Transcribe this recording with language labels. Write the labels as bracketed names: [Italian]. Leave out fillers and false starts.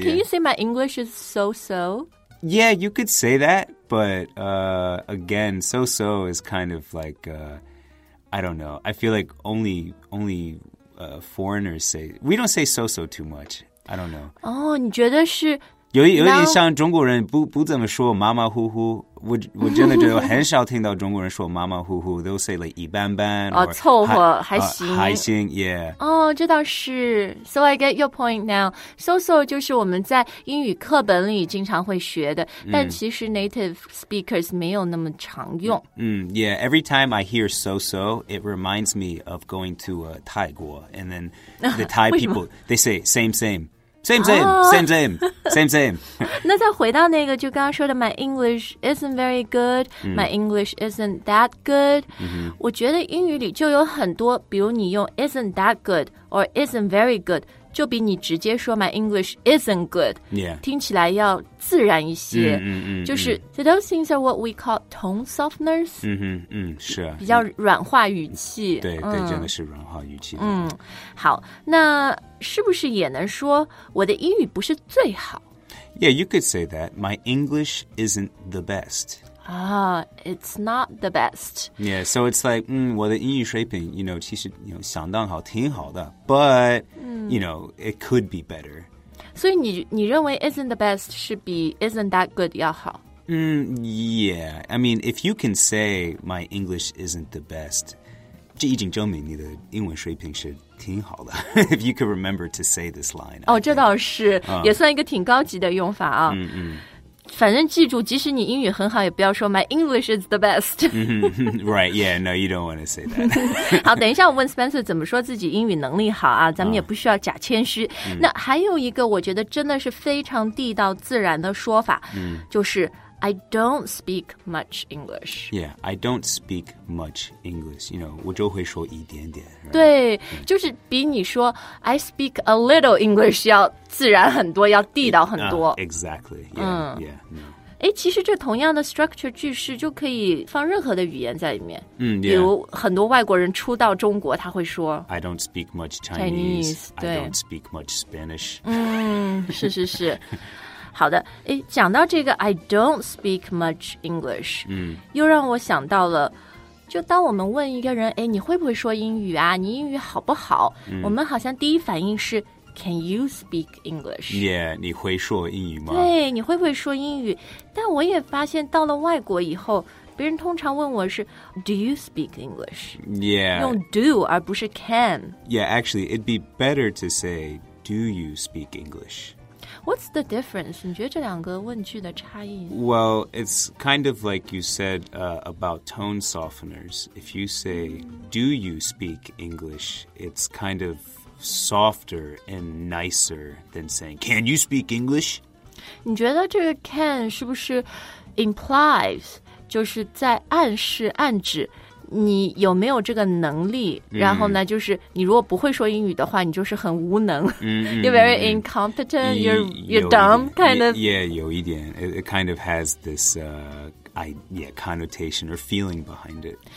[English] Can you say my English is so-so? Yeah, you could say that, but again, so-so is kind of like, I don't know. I feel like only foreigners say, we don't say so-so too much. I don't know. [Chinese] 你觉得是... 有点像中国人不怎么说马马虎虎，我真的觉得很少听到中国人说马马虎虎。 [English] They'll say like [Chinese] 一般般，凑合，还行，还行 ，yeah。这倒是。 [English] So I get your point now. [Chinese] So so 就是我们在英语课本里经常会学的，但其实 native speakers 没有那么常用。 [English] Yeah. Every time I hear so so, it reminds me of going to 泰国 and then the Thai people they say same same. Same. [Chinese] 那再回到那个就刚刚说的 [English] My English isn't very good、 [Chinese] mm. [English] My English isn't that good、 mm-hmm. [Chinese] 我觉得英语里就有很多比如你用 [English] isn't that good or isn't very good [Chinese] 就比你直接说 [English] my English isn't good、 yeah. [Chinese] 听起来要自然一些、 mm-hmm, mm-hmm, 就是、mm-hmm. [English] So those things are what we call tone softeners、 mm-hmm, mm-hmm, [Chinese] 是啊比较软化语气、 mm-hmm. 对对真的是软化语气嗯，好那是不是也能说我的英语不是最好 [English] Yeah you could say that My English isn't the best it's not the best Yeah so it's like、mm, [Chinese] 我的英语水平 [English] you know 其实 you know, [Chinese] 相当好挺好的 [English] butYou know, it could be better. [Chinese] 所以你认为 isn't the best 是比 isn't that good 要好、 [English] mm, Yeah, I mean, if you can say my English isn't the best, [Chinese] 这已经证明你的英文水平是挺好的 [English] If you could remember to say this line. [Chinese] 哦、oh, 这倒是、uh. 也算一个挺高级的用法啊。嗯、mm-hmm. 反正记住即使你英语很好也不要说 [English] my English is the best. 、 mm-hmm. Right, yeah, no, you don't want to say that. [Chinese] 好等一下我问 Spencer 怎么说自己英语能力好啊咱们也不需要假谦虚。 Mm-hmm. 那还有一个我觉得真的是非常地道自然的说法、 mm-hmm. [English] 就是 I don't speak much English. Yeah, I don't speak much English. You know, [Chinese] 我就会说一点点。 [English] Right? [Chinese] 对、mm-hmm. 就是比你说 [English] I speak a little English [Chinese] 要自然很多要地道很多 [English] exactly yeah, yeah, no. [Chinese] 诶其实这同样的 structure 句式就可以放任何的语言在里面、 mm, yeah. 比如很多外国人初到中国他会说 [English] I don't speak much Chinese I don't speak much Spanish [Chinese] 嗯是是是好的诶讲到这个 [English] I don't speak much English、 mm. [Chinese] 又让我想到了就当我们问一个人诶你会不会说英语啊你英语好不好、 mm. 我们好像第一反应是 [English] Can you speak English? [Chinese] Yeah, 你会说英语吗？对，你会不会说英语？但我也发现到了外国以后，别人通常问我是 [English] Do you speak English? Yeah. [Chinese] 用 do 而不是 can. [English] Yeah, actually, it'd be better to say Do you speak English? What's the difference? [Chinese] 你觉得这两个问句的差异？ [English] Well, it's kind of like you said about tone softeners. If you say Do you speak English? It's kind ofsofter and nicer than saying, can you speak English? [Chinese] 你觉得这个 can 是不是 implies, 就是在暗示暗指你有没有这个能力、 mm-hmm. 然后呢就是你如果不会说英语的话你就是很无能、 mm-hmm. [English] You're very incompetent, you're dumb, kind of. Yeah, [Chinese] 有一点 [English] it kind of has this connotation or feeling behind it.